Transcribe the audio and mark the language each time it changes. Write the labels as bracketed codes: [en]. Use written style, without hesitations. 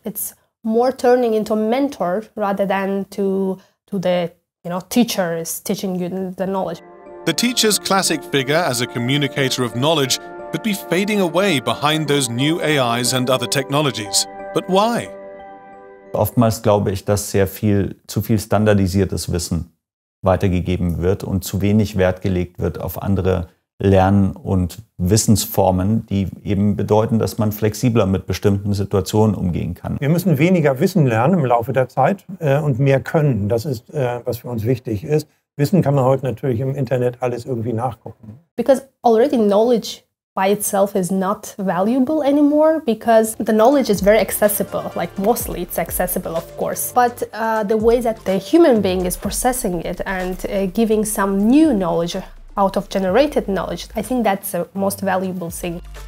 [en] It's more turning into a mentor rather than to the, you know, teacher is teaching you the knowledge. The teacher's classic figure as a communicator of knowledge could be fading away behind those new AIs and other technologies. But why? [de] Oftmals glaube ich, dass sehr viel zu viel standardisiertes Wissen weitergegeben wird und zu wenig Wert gelegt wird auf andere Lern- und Wissensformen, die eben bedeuten, dass man flexibler mit bestimmten Situationen umgehen kann. Wir müssen weniger Wissen lernen im Laufe der Zeit und mehr können. Das ist, was für uns wichtig ist. Wissen kann man heute natürlich im Internet alles irgendwie nachgucken. [en] Because already knowledge by itself is not valuable anymore, because the knowledge is very accessible, like mostly it's accessible, of course. But the way that the human being is processing it and giving some new knowledge out of generated knowledge, I think that's the most valuable thing.